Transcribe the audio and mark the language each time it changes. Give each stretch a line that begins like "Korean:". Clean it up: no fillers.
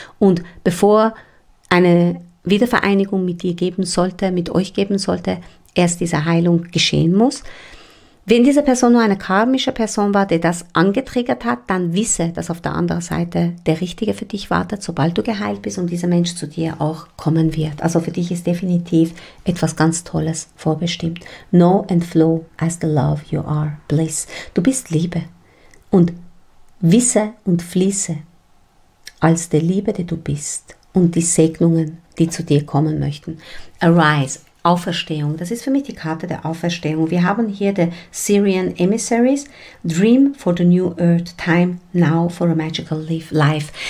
German: Und bevor eine Wiedervereinigung mit dir geben sollte, mit euch geben sollte, erst diese Heilung geschehen muss. Wenn diese Person nur eine karmische Person war, die das angetriggert hat, dann wisse, dass auf der anderen Seite der Richtige für dich wartet, sobald du geheilt bist und dieser Mensch zu dir auch kommen wird. Also für dich ist definitiv etwas ganz Tolles vorbestimmt.
English: Know and flow as the love you are, bliss.
German: Du bist Liebe und wisse und fließe als die Liebe, die du bist und die Segnungen, die zu dir kommen möchten. Arise. Auferstehung, das ist für mich die Karte der Auferstehung. Wir haben hier die Syrian Emissaries, Dream for the New Earth, Time Now for a Magical Life.